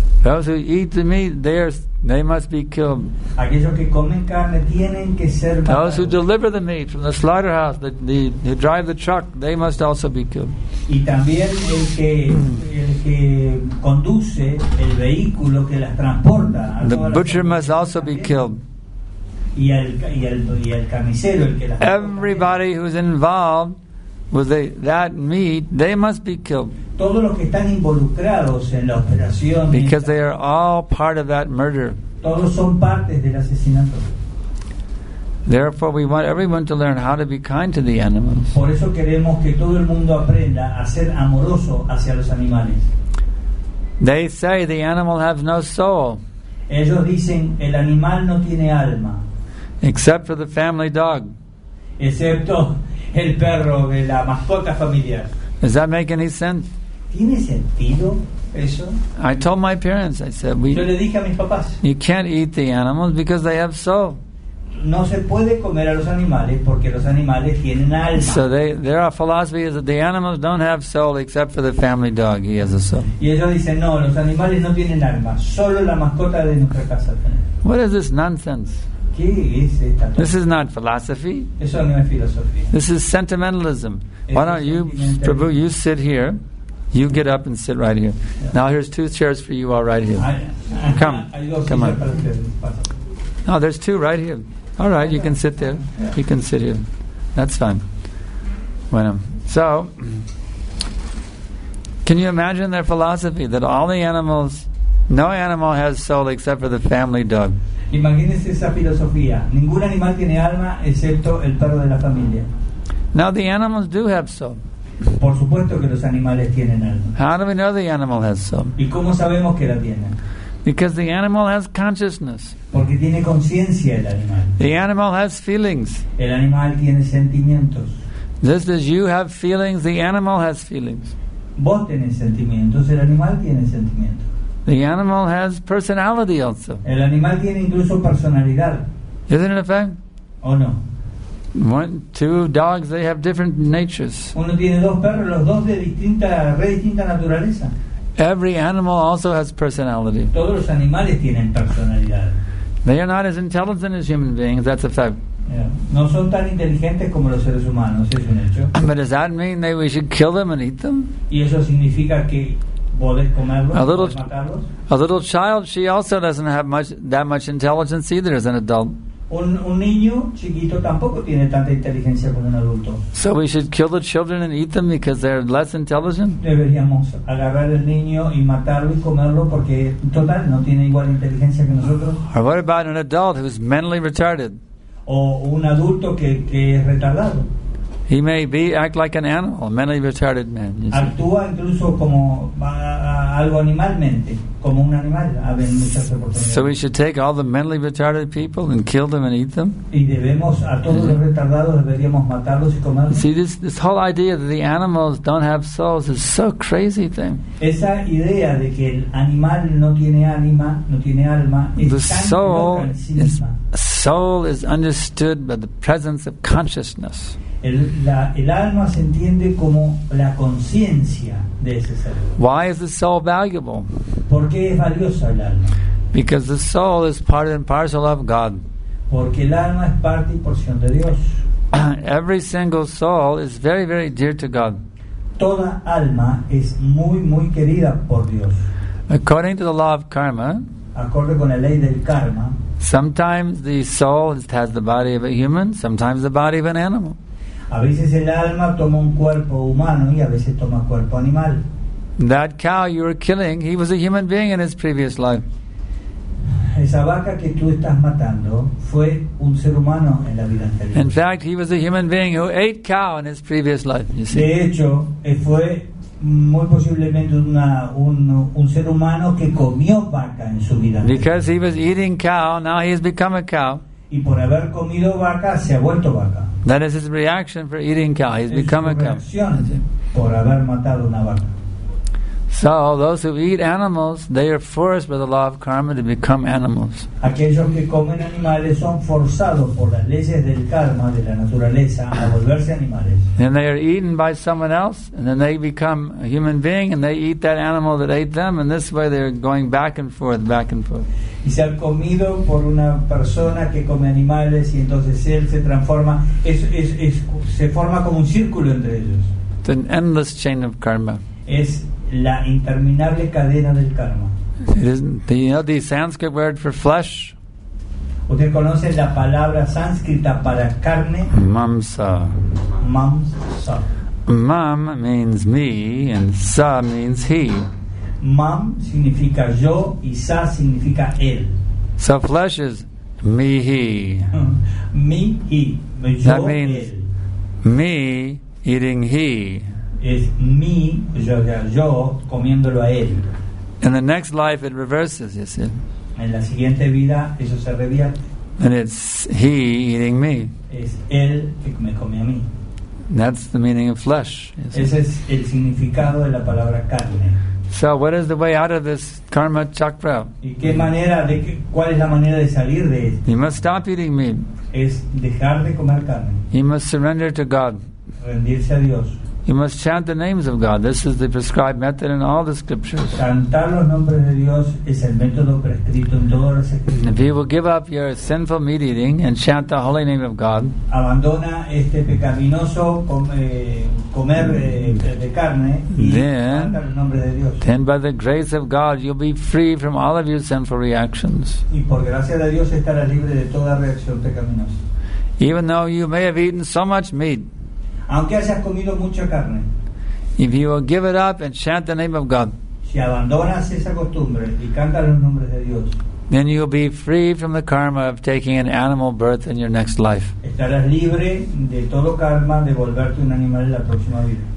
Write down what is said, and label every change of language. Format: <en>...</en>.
<en>Those who eat the meat, they must be killed.</en> <es>Aquellos que comen carne tienen que ser matados.</es> <en>Those who deliver the meat from the slaughterhouse, who drive the truck, they must also be killed.</en> <es>Y también el que conduce el vehículo que las transporta.</es> <en>The butcher must also be killed.</en> <es>Y el carnicero, el que las...</es> <en>Everybody who's involved with that meat, they must be killed.</en> <es>Todos los que están involucrados en la operación,</es> <en>because they are all part of that murder.</en> <es>Todos son partes del asesinato.</es> <en>Therefore, we want everyone to learn how to be kind to the animals.</en> <es>Por eso queremos que todo el mundo aprenda a ser amoroso hacia los animales.</es> <en>They say the animal has no soul.</en> <es>Ellos dicen el animal no tiene alma.</es> <en>Except for the family dog.</en> <es>Excepto el perro de la mascota familiar.</es> <en>Does that make any sense?</en> <es>¿Tiene sentido eso?</es> <en>I told my parents, I said,</en> <es>yo le dije a mis papás,</es> <en>you can't eat the animals because they have soul.</en> <es>No se puede comer a los animales porque los animales tienen alma.</es> <en>So their philosophy is that the animals don't have soul except for the family dog. He has a soul.</en> <es>Y ellos dicen, no, los animales no tienen alma. Solo la mascota de nuestra casa tiene.</es> <en>What is this nonsense? This is not philosophy.</en> <es>Eso no es filosofía.</es> <en>This is sentimentalism. Why don't you, Prabhu, you sit here. You get up and sit right here. Yeah. Now here's two chairs for you all right here. Come. Come on. No, there's two right here. All right, you can sit there. You can sit here. That's fine. Bueno. So, can you imagine their philosophy that all the animals, no animal has soul except for the family dog?</en> <es>Imagínese esa filosofía. Ningún animal tiene alma excepto el perro de la familia.</es> <en>Now the animals do have soul.</en> <es>Por supuesto que los animales tienen alma.</es> <en>How do we know the animal has soul?</en> <es>¿Y cómo sabemos que la tienen?</es> <en>Because the animal has consciousness.</en> <es>Porque tiene conciencia el animal.</es> <en>The animal has feelings.</en> <es>El animal tiene sentimientos.</es> <en>Just as you have feelings, the animal has feelings.</en> <es>Vos tenés sentimientos, el animal tiene sentimientos.</es> <en>The animal has personality also.</en> <es>El animal tiene incluso personalidad.</es> <en>Isn't it a fact? Oh no. Two dogs, they have different natures.</en> <es>Uno tiene dos perros, los dos de distinta naturaleza.</es> <en>Every animal also has personality.</en> <es>Todos los animales tienen personalidad.</es> <en>They are not as intelligent as human beings, that's a fact. Yeah.</en> <es>No son tan inteligentes como los seres humanos, es un hecho.</es> <en>But does that mean that we should kill them and eat them?</en> <es>Y eso significa que...</es> <en>A little child, she also doesn't have that much intelligence either as an adult.</en> <es>Un niño chiquito tampoco tiene tanta inteligencia como un adulto.</es> <en>So we should kill the children and eat them because they're less intelligent?</en> <es>Deberíamos agarrar el niño y matarlo y comerlo porque total no tiene igual inteligencia que nosotros.</es> <en>Or what about an adult who's mentally retarded?</en> <es>O un adulto que es retardado.</es> <en>He may act like an animal, a mentally retarded man.</en> <es>Actúa incluso como algo animalmente, como un animal.</es> <en>So we should take all the mentally retarded people and kill them and eat them?</en> <es>Y debemos a todos los retardados deberíamos matarlos y comerlos.</es> <en>See, this whole idea that the animals don't have souls is so crazy thing.</en> <es>Esa idea de que el animal no tiene ánima, no tiene alma,</es> <en>the soul is understood by the presence of consciousness.</en> <es>El alma se entiende como la conciencia de ese ser.</es> <en>Why is the soul valuable?</en> <es>¿Por qué es valiosa el alma?</es> <en>Because the soul is part and parcel of God.</en> <es>Porque el alma es parte y porción de Dios.</es> <en>Every single soul is very, very dear to God.</en> <es>Toda alma es muy, muy querida por Dios.</es> <en>According to the law of karma,</en> <es>acorde con la ley del karma,</es> <en>sometimes the soul has the body of a human, sometimes the body of an animal.</en> <es>A veces el alma toma un cuerpo humano y a veces toma cuerpo animal.</es> <en>That cow you were killing, he was a human being in his previous life.</en> <es>esa vaca que tú estás matando fue un ser humano en la vida anterior.</es> <en>In fact, he was a human being who ate cow in his previous life. You see.</en> <es>De hecho, fue muy posiblemente un ser humano que comió vaca en su vida.</es> <en>Because</en> <es>anterior.</es> <en>He was eating cow, now he has become a cow.</en> <es>Y por haber comido vaca, se ha vuelto vaca.</es> <en>That is his reaction for eating cow. He's become a cow.</en> <es>Por haber matado una vaca.</es> <en>So those who eat animals, they are forced by the law of karma to become animals.</en> <es>Aquellos que comen animales son forzados por las leyes del karma de la naturaleza a volverse animales.</es> <en>Then they are eaten by someone else, and then they become a human being, and they eat that animal that ate them, and this way they're going back and forth, back and forth.</en> <es>Y se han comido por una persona que come animales, y entonces él se transforma, se forma como un círculo entre ellos.</es> <en>It's an endless chain of karma.</en> <es>Es la interminable cadena del karma.</es> <en>It is, do you know the Sanskrit word for flesh?</en> <es>¿Usted conoce la palabra sánscrita para carne?</es> <en>Mamsa.</en> <es>Mamsa.</es> <en>Mam means me and sa means he.</en> <es>Mam significa yo y sa significa él.</es> <en>So flesh is me, he. Me, he.</en> <es>Yo,</es> <en>that means</en> <es>él.</es> <en>Me eating he.</en> <es>Es mi, yo comiéndolo a él.</es> <en>In the next life it reverses, you see.</en> <es>En la siguiente vida eso se revierte.</es> <en>And it's he eating me.</en> <es>Es él que me come a mí.</es> <en>That's the meaning of flesh.</en> <es>Ese es el significado de la palabra carne.</es> <en>So what is the way out of this karma chakra?</en> <es>¿Y qué manera, cuál es la manera de salir de esto?</es> <en>You must stop eating meat.</en> <es>Es dejar de comer carne.</es> <en>You must surrender to God.</en> <es>Rendirse a Dios.</es> <en>You must chant the names of God. This is the prescribed method in all the scriptures.</en> <es>Cantar los nombres de Dios es el método prescrito en todas las escrituras.</es> <en>If you will give up your sinful meat eating and chant the holy name of God,</en> <es>abandona este pecaminoso comer de carne y</es> <en>then,</en> <es>canta los nombres de Dios.</es> <en>Then by the grace of God you'll be free from all of your sinful reactions.</en> <es>Y por gracia de Dios estarás libre de toda reacción pecaminosa.</es> <en>Even though you may have eaten so much meat,</en> <es>aunque hayas comido mucha carne,</es> <en>if you will give it up and chant the name of God,</en> <es>si abandonas esa costumbre y cantas los nombres de Dios,</es> <en>then you will be free from the karma of taking an animal birth in your next life.</en> <es>Estarás libre de todo karma de volverte un animal en la próxima vida.</es>